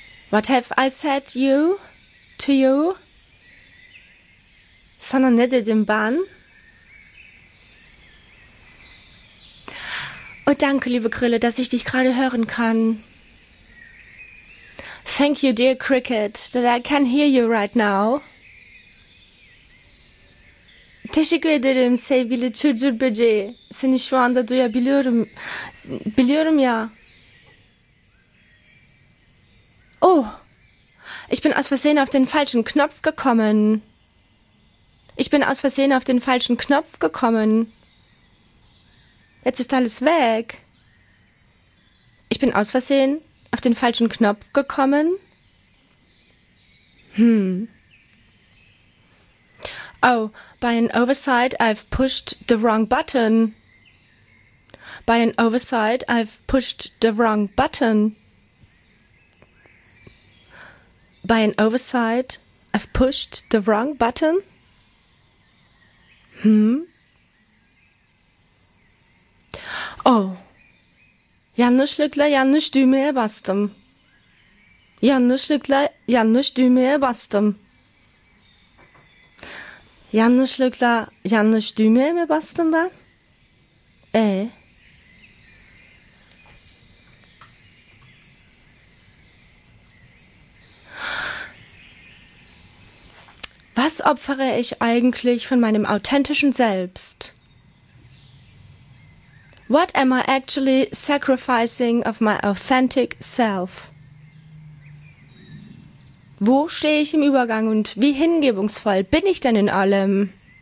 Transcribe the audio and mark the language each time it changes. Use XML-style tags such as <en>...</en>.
<en>What have I said you to you?</en> <tr>Sana ne dedim ben?</tr> <de>Oh, danke, liebe Grille, dass ich dich gerade hören kann.</de> <en>Thank you, dear Cricket, that I can hear you right now.</en> <tr>Teşekkür ederim, sevgili çırcır böceği. Seni şu anda duyabiliyorum. Biliyorum ya. Oh.</tr> <de>Ich bin aus Versehen auf den falschen Knopf gekommen. Ich bin aus Versehen auf den falschen Knopf gekommen. Jetzt ist alles weg. Ich bin aus Versehen auf den falschen Knopf gekommen.</de> <en>Oh, by an oversight I've pushed the wrong button. By an oversight I've pushed the wrong button. By an oversight, I've pushed the wrong button?</en> <tr>Oh. Yanlışlıkla yanlış düğmeye bastım. Yanlışlıkla yanlış düğmeye bastım. Yanlışlıkla yanlış düğmeye mi bastım ben?</tr> <de>Was opfere ich eigentlich von meinem authentischen Selbst?</de> <en>What am I actually sacrificing of my authentic self?</en> <de>Wo stehe ich im Übergang und wie hingebungsvoll bin ich denn in allem?</de>